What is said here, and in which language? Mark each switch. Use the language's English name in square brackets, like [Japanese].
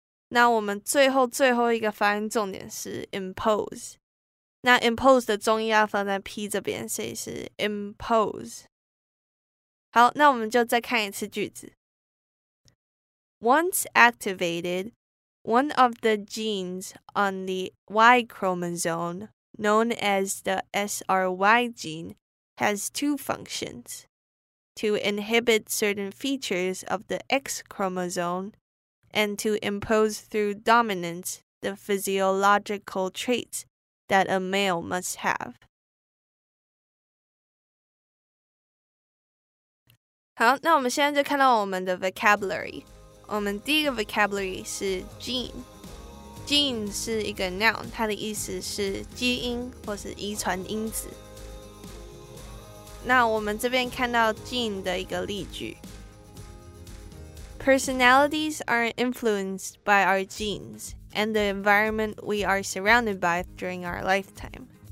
[Chinese] 那我们最后一个发音重点是 impose， 那 impose 的重音要放在 p 这边，所以是 impose。好，那我们就再看一次句子。 [English] Once activated, one of the genes on the Y chromosome, known as the SRY gene, has two functions: to inhibit certain features of the X chromosome. And to impose through dominance the physiological traits that a male must have. [Chinese] 好，那我们现在就看到我们的 vocabulary. 我们第一个 vocabulary 是 gene. Gene 是一个 noun， 它的意思是基因或是遗传因子。那我们这边看到 gene 的一个例句。 [English] Personalities are influenced by our genes and the environment we are surrounded by during our lifetime.